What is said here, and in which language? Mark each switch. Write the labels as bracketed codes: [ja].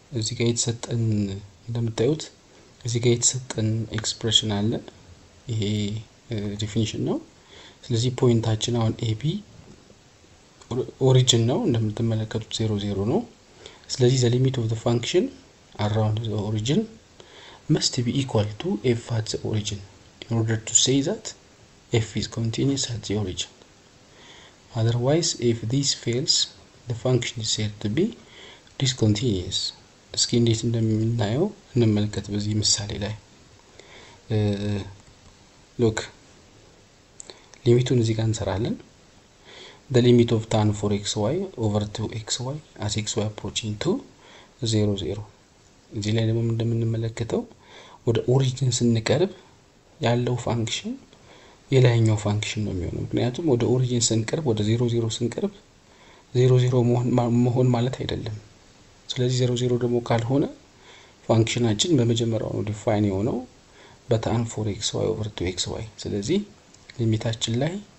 [am] እዚህ ጋር የተሰጠን እንደምታዩት እዚህ ጋር የተሰጠን ኤክስፕሬሽን አለ። ይሄ ዲፊኒሽን ነው። ስለዚህ ፖይንታችን አሁን ኤቢ ኦሪጂን ነው፣ እንደምትመለከቱት 00 ነው። ስለዚህ ዘ ሊሚት ኦፍ ዘ ፋንክሽን አራውንድ ዘ ኦሪጂን መስት ቢ ኢኳል ቱ ኤፍ አት ዘ ኦሪጂን [en] in order to say that f is continuous at the origin. Otherwise, if this fails, the function is said to be discontinuous. [am] እስኪ እንዴት እንደምናየው እንመልከት በዚህ ምሳሌ ላይ። [en] look, [am] ሊሚቱን እዚህ ጋር እንሰራለን። [en] The limit of tan for xy over 2xy as xy approaching to 0, 0. [am] እዚህ ላይ ደግሞ እንደምንመለከተው ወደ ኦሪጂን ስንቀርብ ያለው ፋንክሽን የላይኛው ፋንክሽን ነው የሚሆነው። ምክንያቱም ወደ ኦሪጂን ስንቀርብ ወደ 00 ስንቀርብ 00 መሆን ማለት አይደለም። ስለዚህ 00 ደግሞ ካልሆነ ፋንክሽናችን በመጀመሪያው ነው ዲፋይን የሆነው በታን ፎር ኤክስ ዋይ ኦቨር ቱ ኤክስ ዋይ። ስለዚህ ሊሚታችን ላይ